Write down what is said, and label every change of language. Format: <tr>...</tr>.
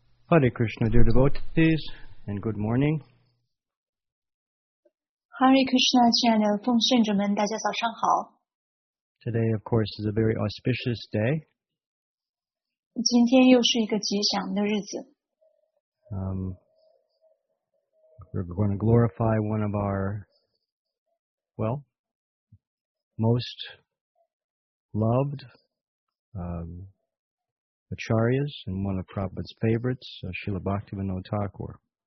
<en>Hare Krishna, dear devotees, and good morning.</en> <zh>Hare Krishna, 亲爱的, 奉圣者们, 大家早上好。</zh> <en>Today, of course, is a very auspicious day.</en> <zh>今天又是一个吉祥的日子。</zh> <en>We're going to glorify one of our, well, most loved, Acharyas and one of Prabhupada's favorites, Srila Bhaktivinoda Thakur.</en>